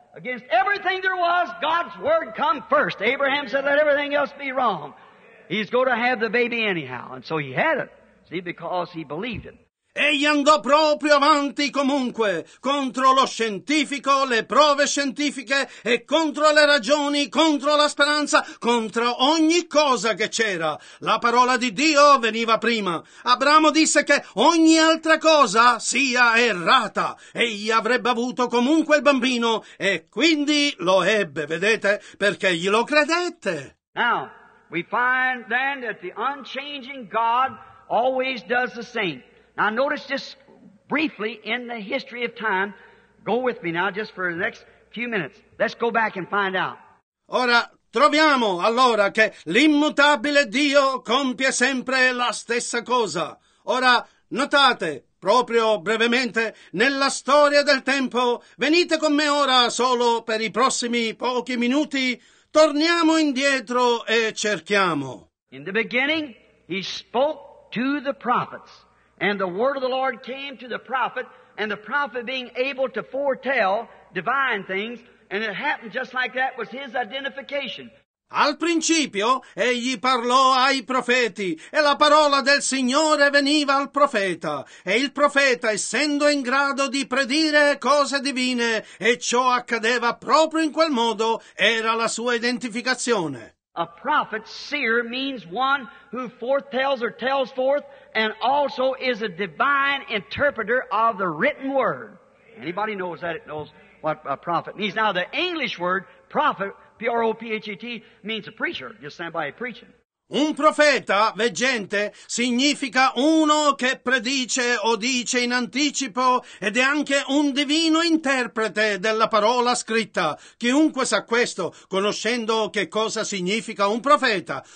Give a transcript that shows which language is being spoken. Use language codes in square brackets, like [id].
[en] Against everything there was, God's word come first. Abraham said, let everything else be wrong. He's going to have the baby anyhow. And so he had it, see, because he believed it. [it] Egli andò proprio avanti comunque, contro lo scientifico, le prove scientifiche e contro le ragioni, contro la speranza, contro ogni cosa che c'era. La parola di Dio veniva prima. Abramo disse che ogni altra cosa sia errata. Egli avrebbe avuto comunque il bambino e quindi lo ebbe, vedete, perché glielo credette. [en] Now, we find then that the unchanging God always does the same. Now notice just briefly in the history of time, go with me now just for the next few minutes. Let's go back and find out. [it] Ora, troviamo allora che l'immutabile Dio compie sempre la stessa cosa. Ora, notate, proprio brevemente, nella storia del tempo, venite con me ora solo per i prossimi pochi minuti, torniamo indietro e cerchiamo. [en] In the beginning, he spoke to the prophets. And the word of the Lord came to the prophet, and the prophet being able to foretell divine things, and it happened just like that was his identification. [it] Al principio, egli parlò ai profeti, e la parola del Signore veniva al profeta, e il profeta, essendo in grado di predire cose divine, e ciò accadeva proprio in quel modo, era la sua identificazione. [en] A prophet, seer, means one who foretells or tells forth, and also is a divine interpreter of the written word. Anybody knows that, it knows what a prophet means. Now, the English word, prophet, P-R-O-P-H-E-T, means a preacher, just somebody preaching. [it] Un profeta, veggente, significa uno che predice o dice in anticipo ed è anche un divino interprete della parola scritta. Chiunque sa questo, conoscendo che cosa significa un profeta.